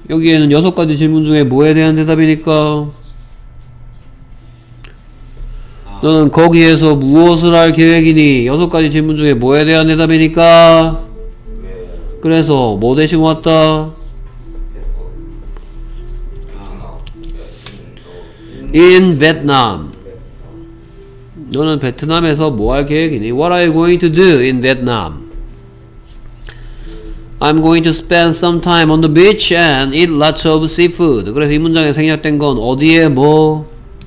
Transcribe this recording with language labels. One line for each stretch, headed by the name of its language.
Korean: 여기에는 여섯 가지 질문 중에 뭐에 대한 대답이니까 너는 거기에서 무엇을 할 계획이니? 여섯 가지 질문 중에 뭐에 대한 대답이니까? 그래서 뭐 대신 왔다? 베트남. 너는 베트남에서 뭐 할 계획이니?
English: What are you going to do in Vietnam? I'm going to spend some time on the beach and eat lots of seafood.
Korean: 그래서 이 문장에 생략된 건 어디에 뭐?